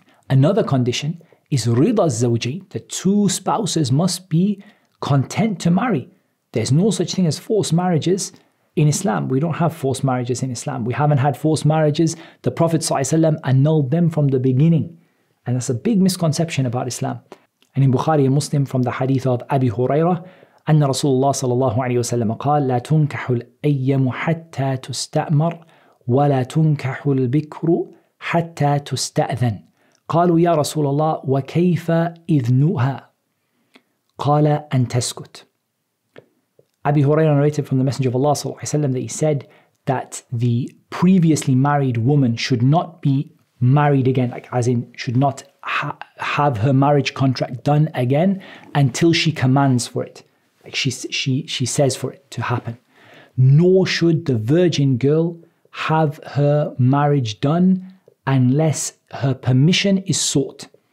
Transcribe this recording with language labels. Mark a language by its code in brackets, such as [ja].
[en] Another condition is rida zawji. The two spouses must be content to marry. There's no such thing as forced marriages in Islam. We don't have forced marriages in Islam. We haven't had forced marriages. The Prophet ﷺ annulled them from the beginning. And that's a big misconception about Islam. And in Bukhari and Muslim, from the hadith of Abi Hurairah, [ar] أن رسول الله صلى الله عليه وسلم قال لا تنكح الأيم حتى تستأمر ولا تنكح البكر حتى تستأذن. قالوا يا رسول الله وكيف إذنها؟ قال أن تسكت. [en] Abi Hurairah narrated from the Messenger of Allah صلى الله عليه وسلم that he said that the previously married woman should not be married again, like as in should not have her marriage contract done again until she commands for it. Like she says for it to happen. Nor should the virgin girl have her marriage done unless her permission is sought.